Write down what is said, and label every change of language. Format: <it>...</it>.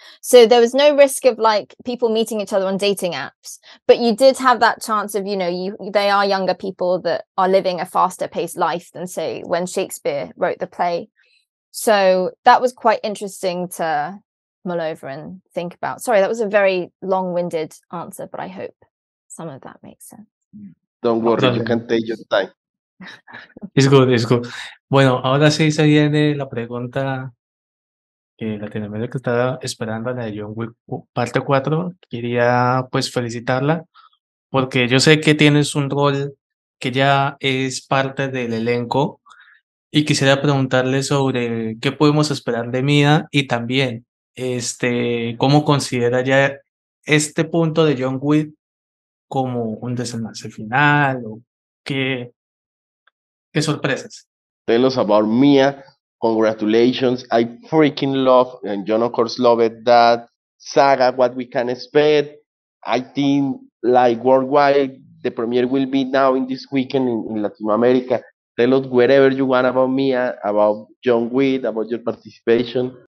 <en>So there was no risk of like people meeting each other on dating apps, but you did have that chance of, you know, they are younger people that are living a faster paced life than say when Shakespeare wrote the play. So that was quite interesting to mull over and think about. Sorry, that was a very long-winded answer, but I hope some of that makes sense. Don't worry, you can take your time. It's good.</en> <es>Bueno, ahora sí se viene la pregunta que Latinoamérica estaba esperando, la de John Wick parte 4. Quería pues felicitarla porque yo sé que tienes un rol que ya es parte del elenco y quisiera preguntarle sobre qué podemos esperar de Mia y también cómo considera ya este punto de John Wick como un desenlace final o qué. Sorpresas.</es> <en>Tell us about Mia. Congratulations. I freaking love, and John of course loved that saga, what we can expect. I think like worldwide, the premiere will be now in this weekend in Latin America. Tell us whatever you want about Mia, about John Wick, about your participation.</en>